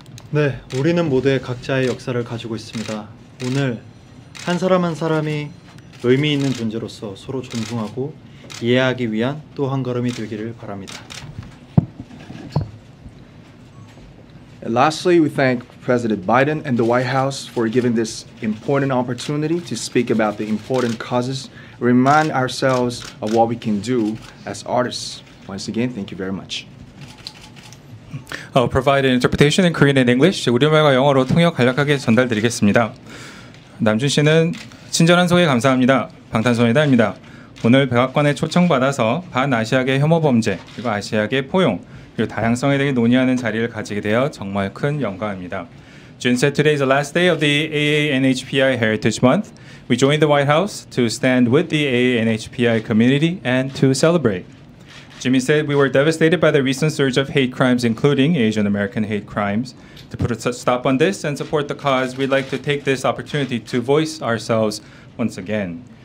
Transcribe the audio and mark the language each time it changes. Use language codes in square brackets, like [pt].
[ko] 네, 우리는 모두의 각자의 역사를 가지고 있습니다. 오늘 한 사람 한 사람이 의미 있는 존재로서 서로 존중하고 이해하기 위한 또 한 걸음이 되기를 바랍니다. [en] And lastly, we thank President Biden and the White House for giving this important opportunity to speak about the important causes, remind ourselves of what we can do as artists. Once again, thank you very much. I'll provide an interpretation in Korean and English. [ko] 우리말과 영어로 통역 간략하게 전달드리겠습니다. 남준 씨는 친절한 소개 감사합니다. 방탄소년단입니다. 오늘 백악관에 초청받아서 반아시아계 혐오 범죄, 그리고 아시아계 포용, 그리고 다양성에 대해 논의하는 자리를 가지게 되어 정말 큰 영광입니다. [en] June said today is the last day of the AANHPI Heritage Month. We joined the White House to stand with the AANHPI community and to celebrate. Jimmy said we were devastated by the recent surge of hate crimes, including Asian American hate crimes. To put a stop on this and support the cause, we'd like to take this opportunity to voice ourselves once again.